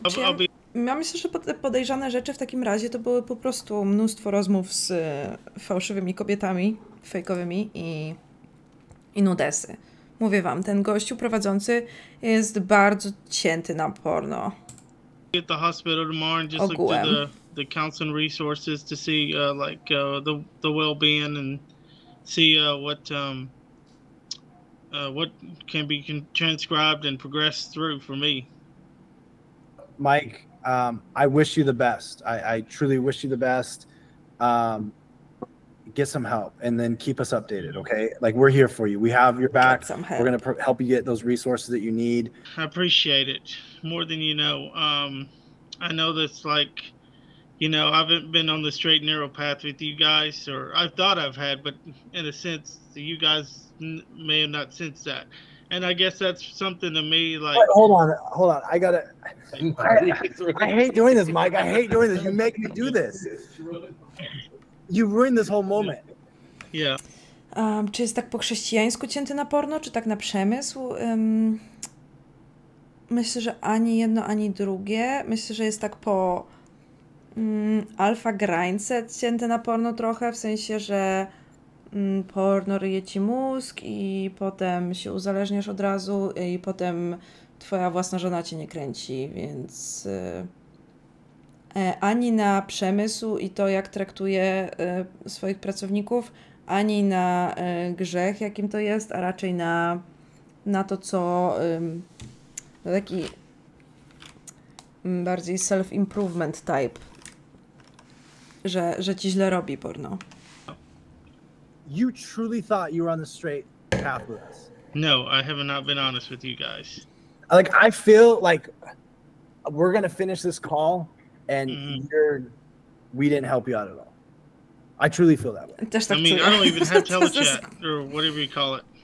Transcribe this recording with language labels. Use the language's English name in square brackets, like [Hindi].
[English] I'll be- [Polish] Ja myślę, że podejrzane rzeczy w takim razie to były po prostu mnóstwo rozmów z fałszywymi kobietami, fejkowymi i nudesy. Mówię wam, ten gościu prowadzący jest bardzo cięty na porno. [English] Get the hospital tomorrow and just look to the counseling resources to see the well-being and see what what can be transcribed and progressed through for me. Mike, I wish you the best. I truly wish you the best. Get some help and then keep us updated, okay? Like, we're here for you. We have your back. We're going to help you get those resources that you need. I appreciate it more than you know. I know that's like, you know, I haven't been on the straight and narrow path with you guys, or I thought I've had, but in a sense, you guys may have not sensed that. And I guess that's something to me, like... Wait, hold on. I got to... I hate doing this, Mike. I hate doing this. You make me do this. You ruined this whole moment. Yeah. [Polish] Czy jest tak po chrześcijańsku cięty na porno, czy tak na przemysł? Myślę, że ani jedno, ani drugie. Myślę, że jest tak po alfa grańce cięte na porno trochę, w sensie, że porno ryje ci mózg i potem się uzależniasz od razu i potem twoja własna żona cię nie kręci, więc ani na przemysł i to, jak traktuje swoich pracowników, ani na grzech, jakim to jest, a raczej na to, co taki bardziej [English] self-improvement type, [Polish] że ci źle robi porno. [English] You truly thought you were on the straight path with us. No, I have not been honest with you guys. Like, I feel like we're going to finish this call and we didn't help you out at all. I truly feel that way. I mean, I don't even have telechat or whatever you call it.